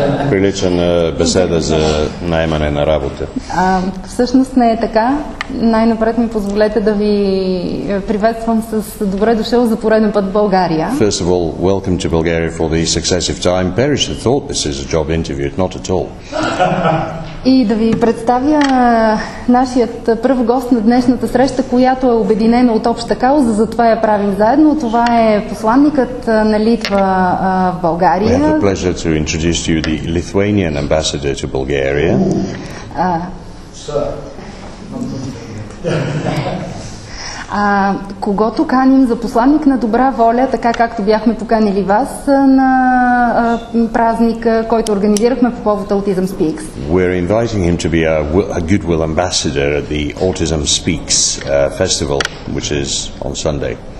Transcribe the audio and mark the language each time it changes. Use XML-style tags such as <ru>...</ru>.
<bg>Прилича на беседа за наймане на работа. Всъщност не е така. Най-напред ми позволете да ви приветствам с добре дошъл за пореден път в България.</bg> <en>First of all, welcome to Bulgaria for the successive time. Perish the thought this is a job interview, not at all.</en> <bg>И да ви представя нашият първ гост на днешната среща, която е обединена от обща кауза, затова я правим заедно. Това е посланникът на Литва в България.</bg> <en>We have the pleasure to introduce to you the Lithuanian ambassador to Bulgaria.</en> <bg>Когато каним за посланник на добра воля, така както бяхме поканили вас на празника, който организирахме по повод Autism Speaks.</bg> <en>We're inviting him to be a goodwill ambassador at the Autism Speaks festival, which is on Sunday.</en>